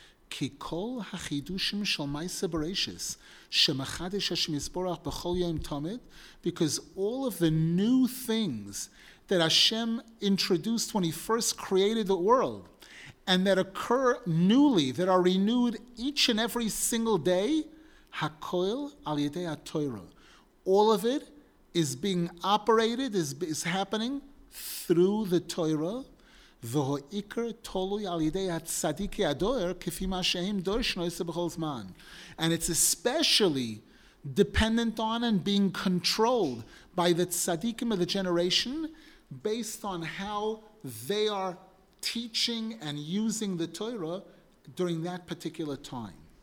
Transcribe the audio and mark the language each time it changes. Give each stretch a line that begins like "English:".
English: Ki kol hachidushim shel ma'ase bereishis shemachadesh Hashem Yisborach b'chol yom tamid, because all of the new things that Hashem introduced when he first created the world and that occur newly, that are renewed each and every single day, hakol al yedei ha-Torah, all of it is being operated, is happening through the Torah.
Hebrew: והעיקר תלוי על ידי הצדיקי הדור כפי מה שהם דורשים עושה בכל זמן.
English: And it's especially dependent on and being controlled by the tzaddikim of the generation based on how they are teaching and using the Torah during that particular time.